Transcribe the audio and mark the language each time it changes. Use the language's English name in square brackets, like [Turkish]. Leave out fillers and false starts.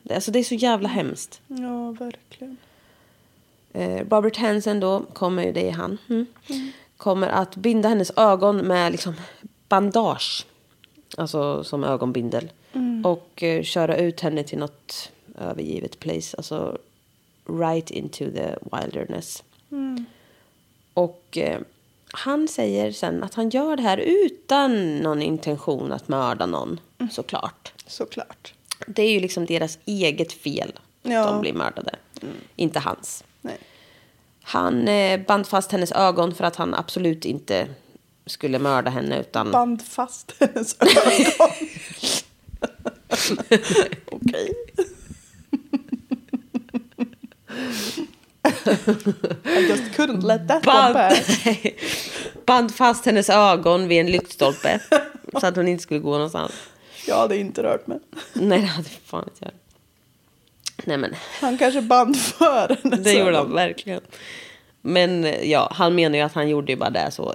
[Swedish] Alltså det är så jävla hemskt. Ja, verkligen. Robert Hansen då, kommer ju, det är han. Mm. Kommer att binda hennes ögon med liksom bandage. Alltså som ögonbindel. Mm. Och köra ut henne till något övergivet place. Alltså [English] right into the wilderness. [Swedish] Mm. Och han säger sen att han gör det här utan någon intention att mörda någon. Mm. Såklart. Såklart. Det är ju liksom deras eget fel. Ja. De blir mördade. Mm. Inte hans. Nej. Han band fast hennes ögon för att han absolut inte skulle mörda henne utan... Band fast hennes ögon. Okej. [English] I just couldn't let that happen. [Swedish] Band fast hennes ögon vid en lyktstolpe så att hon inte skulle gå någonstans. Jag hade inte rört mig. Nej, det hade fan inte gjort. Nej, men... Han kanske band för hennes Det gjorde han verkligen. Men ja, han menar ju att han gjorde ju bara det så.